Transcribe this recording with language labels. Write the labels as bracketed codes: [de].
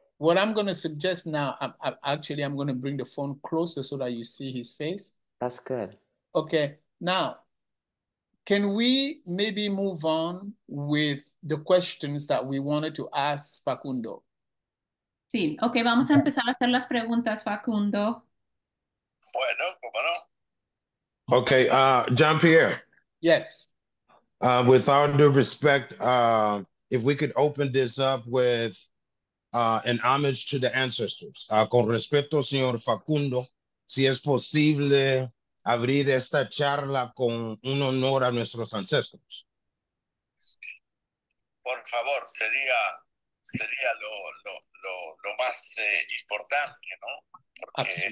[en] What I'm going to suggest now, I'm going to bring the phone closer so that you see his face. That's good. Okay. Now, can we maybe move on with the questions that we wanted to ask Facundo? [es] Sí. Okay. Vamos a empezar a hacer las preguntas, Facundo. Bueno, ¿cómo no? [en] Okay. Jean-Pierre. Yes. With all due respect, if we could open this up with an homage to the ancestors. [es] Con respeto, señor Facundo, si es posible abrir esta charla con un honor a nuestros ancestros. Por favor, sería lo más importante, ¿no? Porque absolutely.